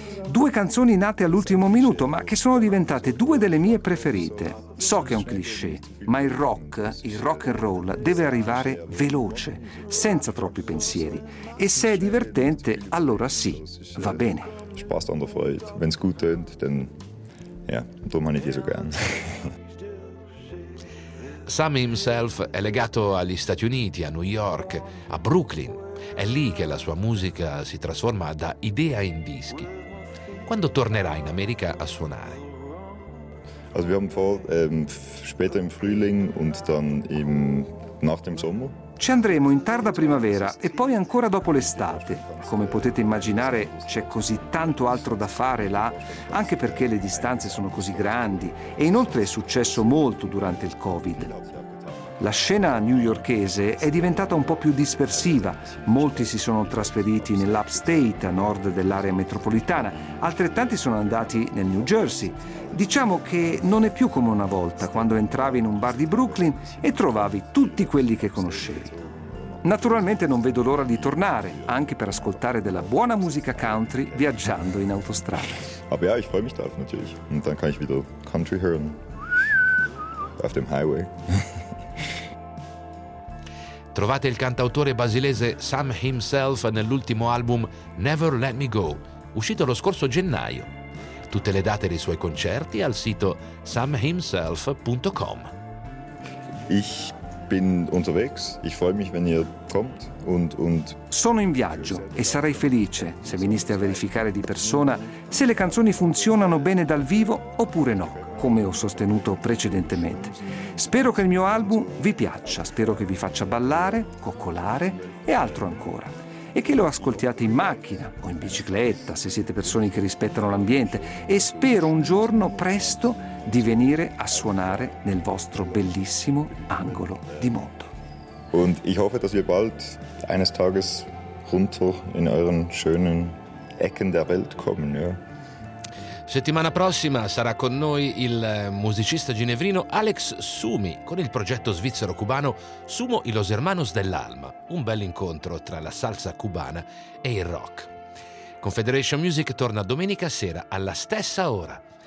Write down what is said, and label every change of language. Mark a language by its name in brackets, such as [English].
[Italian] 2 canzoni nate all'ultimo minuto, ma che sono diventate 2 delle mie preferite. So che è un cliché, ma il rock and roll, deve arrivare veloce, senza troppi pensieri. E se è divertente, allora sì, va bene. [German] Spaß an der Freude. Wenn es gut tönt, dann ja, darum habe ich die so gern. [Italian] Sam himself è legato agli Stati Uniti, a New York, a Brooklyn. È lì che la sua musica si trasforma da idea in dischi. Quando tornerà in America a suonare? [German] Also wir haben vor, später im Frühling und dann im, nach dem Sommer. [Italian] Ci andremo in tarda primavera e poi ancora dopo l'estate. Come potete immaginare, c'è così tanto altro da fare là, anche perché le distanze sono così grandi e inoltre è successo molto durante il Covid. La scena newyorkese è diventata un po' più dispersiva. Molti si sono trasferiti nell'upstate, a nord dell'area metropolitana. Altrettanti sono andati nel New Jersey. Diciamo che non è più come una volta, quando entravi in un bar di Brooklyn e trovavi tutti quelli che conoscevi. Naturalmente non vedo l'ora di tornare, anche per ascoltare della buona musica country viaggiando in autostrada. [German] Aber ja, ich freue mich darauf natürlich. Und dann kann ich wieder country hören. Auf dem Highway. [Italian] Trovate il cantautore basilese Sam Himself nell'ultimo album Never Let Me Go, uscito lo scorso gennaio. Tutte le date dei suoi concerti al sito samhimself.com. [German] Ich bin unterwegs. Ich freue mich, wenn ihr kommt und [Italian] sono in viaggio e sarei felice se veniste a verificare di persona se le canzoni funzionano bene dal vivo oppure no, come ho sostenuto precedentemente. Spero che il mio album vi piaccia, spero che vi faccia ballare, coccolare e altro ancora. E che lo ascoltiate in macchina o in bicicletta, se siete persone che rispettano l'ambiente. E spero un giorno, presto, di venire a suonare nel vostro bellissimo angolo di mondo. [German] Und ich hoffe, dass wir bald eines Tages runter in euren schönen Ecken der Welt kommen, ja. [Italian] Settimana prossima sarà con noi il musicista ginevrino Alex Sumi con il progetto svizzero-cubano Sumo y los Hermanos dell'Alma, un bel incontro tra la salsa cubana e il rock. Confederation Music torna domenica sera alla stessa ora.